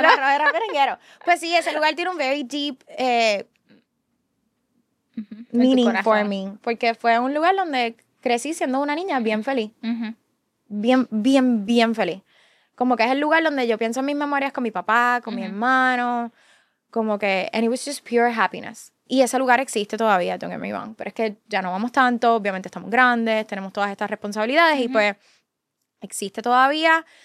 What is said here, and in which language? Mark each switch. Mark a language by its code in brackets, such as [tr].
[es] Zona roja era merenguero. Pues sí, ese lugar tiene un [en] very deep meaning for me. [es] Porque fue un lugar donde crecí siendo una niña bien feliz. Bien feliz. Como que es el lugar donde yo pienso en mis memorias con mi papá, con mi hermano. Como que, [en] and it was just pure happiness. [es] Y ese lugar existe todavía, [en] don't get me wrong. [es] Pero es que ya no vamos tanto, obviamente estamos grandes, tenemos todas estas responsabilidades y pues existe todavía.